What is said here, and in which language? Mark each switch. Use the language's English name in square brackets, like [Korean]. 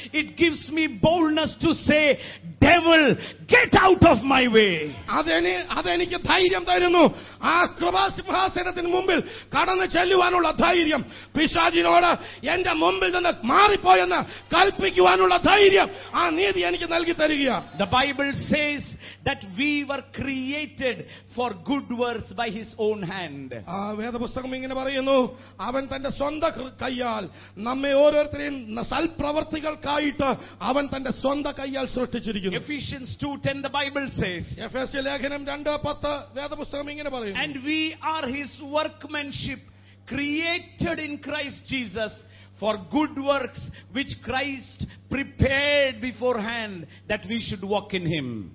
[English] It gives me boldness to say, devil, get out of my way. [Malayalam] അതെനിക്ക് ധൈര്യം തരുന്നു. ആ കൃപാസിംഹാസനത്തിന് മുമ്പിൽ കടന്നു ചെല്ലുവാനുള്ള ധൈര്യം. പിശാചിനോട് എന്റെ മുമ്പിൽ നിന്ന് മാറിപ്പോയെന്ന് കൽപ്പിക്കുവാനുള്ള ധൈര്യം ആ നീതി എനിക്ക് നൽകി തരിക. [English] The Bible says that we were created for good works by his own hand. [Malayalam] ആ വേദപുസ്തകം ഇങ്ങനെ പറയുന്നു, അവൻ തന്റെ സ്വന്തം കൈയാൽ നമ്മെ ഓരോരുത്തരെയും സൽപ്രവർത്തികൾക്കായിട്ട് അവൻ തന്റെ സ്വന്തം കൈയാൽ സൃഷ്ടിച്ചിരിക്കുന്നു. [English] Ephesians 2:10 the Bible says. [Malayalam] എഫേസ്യ ലേഖനം 2:10 വേദപുസ്തകം ഇങ്ങനെ പറയുന്നു. [English] And we are his workmanship created in Christ Jesus for good works which Christ prepared beforehand that we should walk in him.